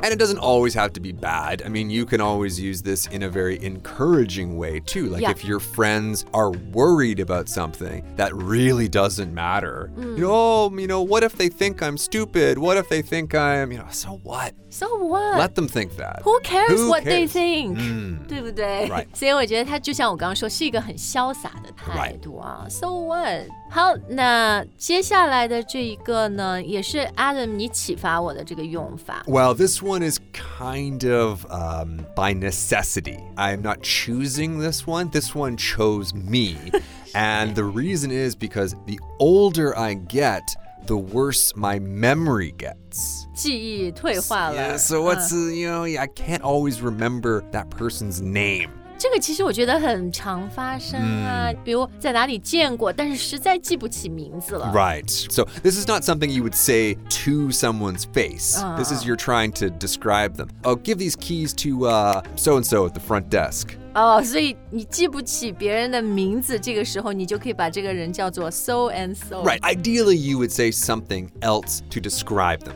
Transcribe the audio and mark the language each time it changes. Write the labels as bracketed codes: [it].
[en] And it doesn't always have to be bad. I mean, you can always use this in a very encouraging way too. Like、if your friends are worried about something that really doesn't matter,、you know, what if they think I'm stupid? What if they think I'm, you know, so what? So what? Let them think that. Who cares what they think?、 [zh] 对不对 [en] ？Right. [zh] 所以我觉得他就像我刚刚说，是一个很潇洒的态度啊。 [en] Right. So what? [zh] 好那接下来的这一个呢也是 Adam 你启发我的这个用法 [en] Well, this one is kind of、by necessity. I'm not choosing this one. This one chose me. And the reason is because the older I get, the worse my memory gets. [zh] 记忆退化了 [en] Yeah, so what's,、you know, I can't always remember that person's name. [zh] 这个其实我觉得很常发生啊、比如在哪里见过但是实在记不起名字了 [en] Right, so this is not something you would say to someone's face、This is you're trying to describe them Oh, give these keys to so-and-so at the front desk [zh] 所以你记不起别人的名字，这个时候你就可以把这个人叫做 so and so. [en] Right, ideally you would say something else to describe them.